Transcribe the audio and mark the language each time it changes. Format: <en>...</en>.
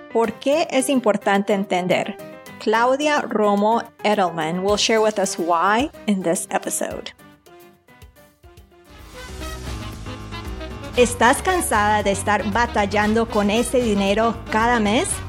<es>¿Por qué es importante entender?</es> <en>Claudia Romo Edelman will share with us why in this episode.</en> <es>¿Estás cansada de estar batallando con ese dinero cada mes?</es>